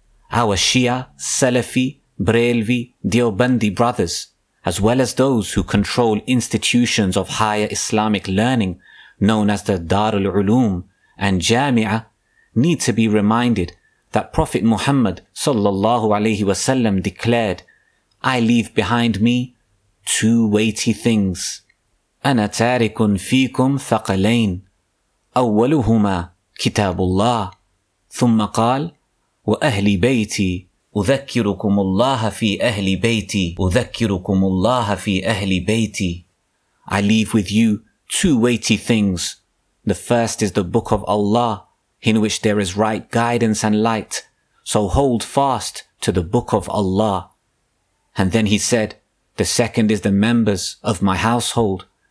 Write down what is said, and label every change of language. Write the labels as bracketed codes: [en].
[en] Our Shia, Salafi, Brelvi, Deobandi brothers, as well as those who control institutions of higher Islamic learning known as the Darul Uloom and Jami'a, need to be reminded that Prophet Muhammad sallallahu alayhi wasallam declared, "I leave behind me two weighty things. [ar] أنا تارك فيكم ثقلين أولهما كتاب الله ثم قال وأهلي بيتي أذكركم الله في أهلي بيتي أذكركم الله في أهلي بيتي." [en] I leave with you two weighty things. The first is the Book of Allah, in which there is right guidance and light. So hold fast to the Book of Allah. And then he said, the second is the members of my household.